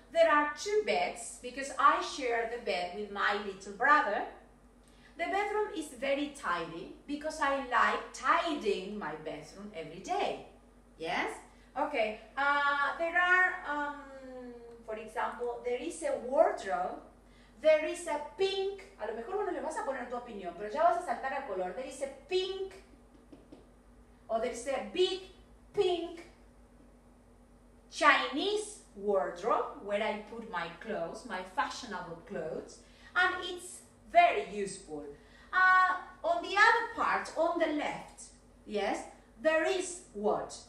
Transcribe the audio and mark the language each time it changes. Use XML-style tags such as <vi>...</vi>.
<en>There are two beds, because I share the bed with my little brother. The bedroom is very tidy because I like tidying my bedroom every day. Yes? Okay. There are, for example, there is a wardrobe. There is a pink.</en> <es>A lo mejor no le vas a poner tu opinión, pero ya vas a saltar al color.</es> <en>There is a pink. Or there is a big pink Chinese wardrobe where I put my clothes, my fashionable clothes. And it's very useful. On the other part, on the left, yes, there is what?</en>